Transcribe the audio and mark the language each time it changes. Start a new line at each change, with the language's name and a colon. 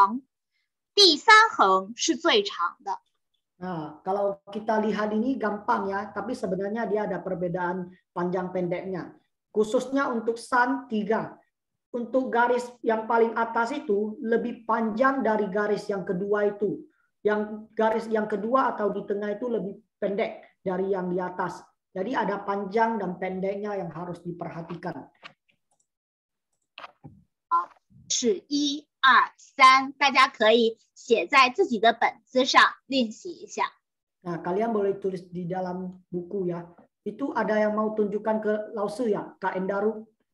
Chinese: 横的长短大家要注意，尤其是三，第一横会比第二横长，第三横是最长的。
Indonesian: Nah, kalau kita lihat ini gampang ya, tapi sebenarnya dia ada perbedaan panjang pendeknya. Khususnya untuk san tiga, untuk garis yang paling atas itu lebih panjang dari garis yang kedua itu. Yang garis yang kedua atau di tengah itu lebih pendek dari yang di atas. Jadi ada panjang dan pendeknya yang harus diperhatikan.
Chinese: 好，是一二三，大家可以写在自己的本子上练习一下。
Indonesian: Nah, kalian boleh tulis di dalam buku ya. Itu ada yang mau tunjukkan ke Lao Su ya, Kak Endaru.